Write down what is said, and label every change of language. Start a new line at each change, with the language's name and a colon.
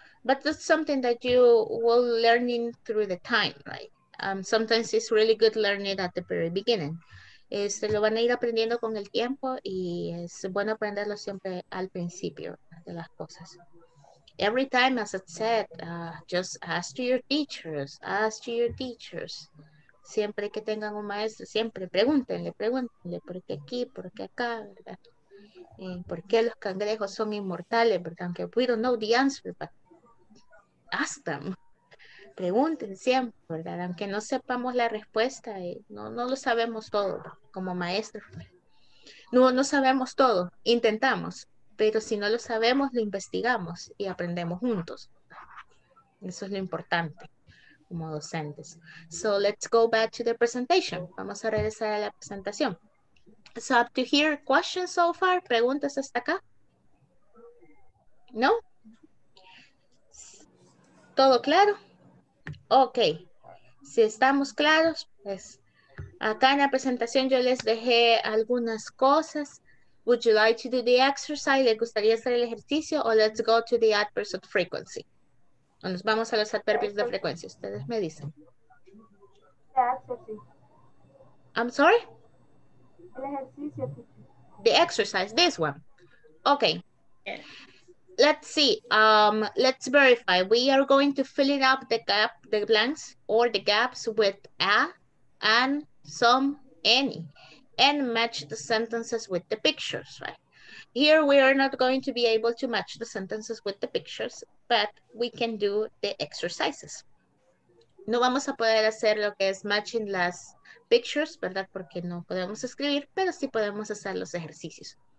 English: But that's something that you will learn through the time, right? Sometimes it's really good learning at the very beginning.
Spanish: Este, lo van a ir aprendiendo con el tiempo y es bueno aprenderlo siempre al principio de las cosas.
English: Every time, as I said, just ask to your teachers, ask to your teachers.
Spanish: Siempre que tengan un maestro, siempre pregúntenle, pregúntenle por qué aquí, por qué acá, ¿verdad? ¿Por qué los cangrejos son inmortales? ¿Verdad? Aunque
English: we don't know the answer, but ask them.
Spanish: Pregunten siempre, ¿verdad? Aunque no sepamos la respuesta, no lo sabemos todo como maestro. No sabemos todo, intentamos, pero si no lo sabemos, lo investigamos y aprendemos juntos. Eso es lo importante como docentes.
English: So let's go back to the presentation.
Spanish: Vamos a regresar a la presentación.
English: So up to here, questions so far?
Spanish: ¿Preguntas hasta acá? ¿No? ¿Todo claro? Ok. Si estamos claros, pues acá en la presentación yo les dejé algunas cosas.
English: Would you like to do the exercise?
Spanish: ¿Le gustaría hacer el ejercicio?
English: O let's go to the adverbs of frequency.
Spanish: O nos vamos a los adverbios de frecuencia. Ustedes me dicen.
English: I'm sorry.
Spanish: El ejercicio.
English: The exercise, this one. Ok. Let's see, let's verify. We are going to fill it up, the gap, the blanks or the gaps with a, an, some, any, and match the sentences with the pictures, right? Here we are not going to be able to match the sentences with the pictures, but we can do the exercises.
Spanish: No vamos a poder hacer lo que es matching las pictures, ¿verdad? Porque no podemos escribir, pero sí podemos hacer los ejercicios.